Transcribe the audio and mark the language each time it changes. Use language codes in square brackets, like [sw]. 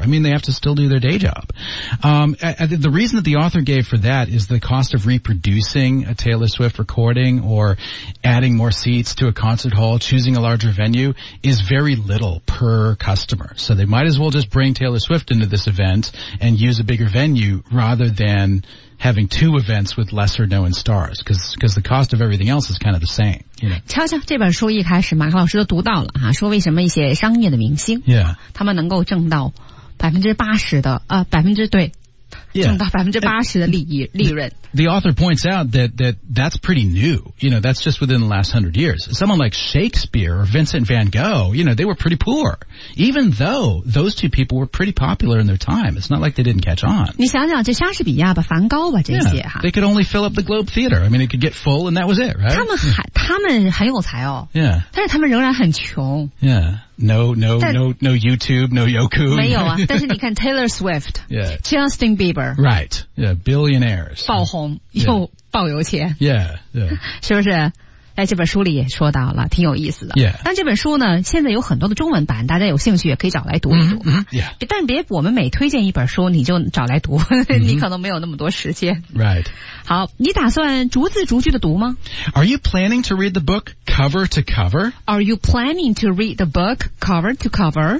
[en] I mean, they have to still do their day job. The reason that the author gave for that is the cost of reproducing a Taylor Swift recording or adding more seats to a concert hall, choosing a larger venue, is very little per customer. So they might as well just bring Taylor Swift into this event and use a bigger venue rather than... having two events with lesser known stars, because the cost of everything else is kind of the same. You know? [zh] 瞧瞧这本书一开始马克老师都读到了、啊、说为什么一些商业的明星、 [en] yeah. [zh] 他们能够挣到 80% 的、对、 [en] yeah. [zh] 挣到 80% 的利益 [en] and, [zh] 利润 [en] the author points out that's pretty new. You know, that's just within the last 100 years. Someone like Shakespeare or Vincent van Gogh, you know, they were pretty poor. Even though those two people were pretty popular in their time. It's not like they didn't catch on. [zh] 你想想这莎士比亚吧梵高吧这些、 [en] yeah. They could only fill up the Globe Theater. I mean, it could get full and that was it, right? [zh] 他们很有才哦。 [en] Yeah. [zh] 但是他们仍然很穷。 [en] Yeah. No YouTube, no Yoku. [zh] 没有啊，但是你看 Taylor Swift, [en] yeah. Justin Bieber. Right, yeah, billionaires. [zh] 爆红、 [en] yeah. [zh] 又爆有钱。 [en] Yeah, yeah. [zh] 是不是？哎，这本书里也说到了，挺有意思的。 [en] Yeah. [zh] 但这本书呢，现在有很多的中文版，大家有兴趣也可以找来读一读、 [en] mm-hmm. Yeah. [zh] 但别我们每推荐一本书，你就找来读，你可能没有那么多时间。 [en] Right. [zh] 好，你打算逐字逐句的读吗 [en] ？Are you planning to read the book cover to cover? Are you planning to read the book cover to cover?、